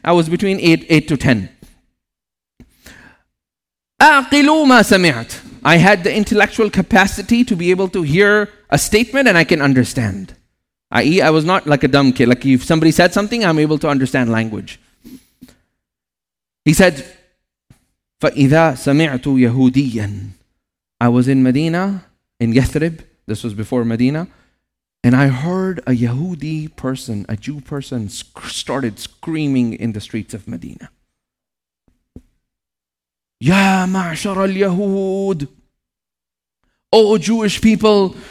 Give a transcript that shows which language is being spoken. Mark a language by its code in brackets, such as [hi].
[en] I was between 8 to 10. [ar] أَعْقِلُ مَا سَمِعْتُ. [en] I had the intellectual capacity to be able to hear a statement and I can understand. I.e. I was not like a dumb kid. Like if somebody said something, I'm able to understand language. He said, [ar] فَإِذَا سَمِعْتُ يَهُودِيًا. [en] I was in Medina, in Yathrib. This was before Medina. And I heard a Yahudi person, a Jew person, started screaming in the streets of Medina. [ar] Ya ma'ashar al-Yahud. [en] Oh, Jewish people.